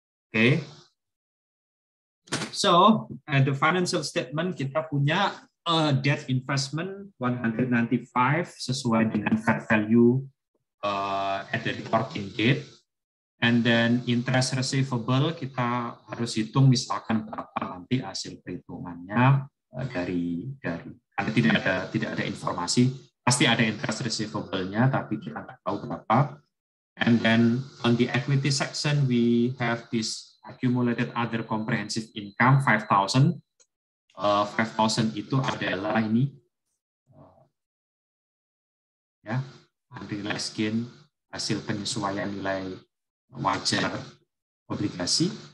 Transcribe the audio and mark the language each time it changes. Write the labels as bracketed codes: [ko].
[en] Okay. So at the financial statement [id] kita punya debt investment 195 sesuai dengan [en] fair value at the reporting date. And then [id] interest receivable kita harus hitung misalkan berapa nanti hasil perhitungannya dari karena tidak ada informasi, pasti ada interest receivable-nya tapi kita nggak tahu berapa. [en] And then on the equity section we have this accumulated other comprehensive income 5,000. [id] 5,000 itu adalah ini ya, unrealized gain, hasil penyesuaian nilai wajar obligasi.